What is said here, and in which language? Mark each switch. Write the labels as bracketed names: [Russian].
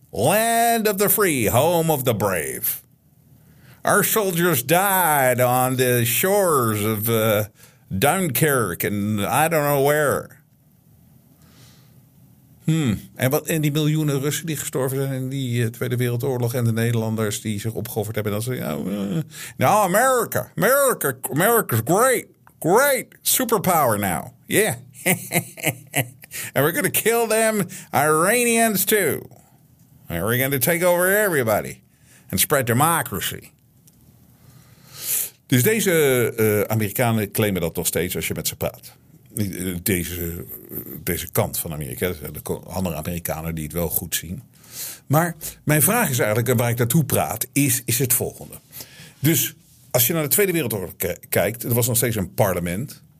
[English] Land of the free, home of the brave. Our soldiers died on the shores of Dunkirk and I don't know where. [Dutch] En die miljoenen Russen die gestorven zijn in die Tweede Wereldoorlog en de Nederlanders die zich opgeofferd hebben. [English] America's great, superpower now. Yeah. And we're going to kill them Iranians too. And we're going to take over everybody and spread democracy. [Dutch] Dus deze Amerikanen claimen dat nog steeds als je met ze praat. Deze kant van Amerika. Er zijn andere Amerikanen die het wel goed zien. Maar mijn vraag is eigenlijk, waar ik naartoe praat, is het volgende. Dus als je naar de Tweede Wereldoorlog kijkt, er was nog steeds een parlement.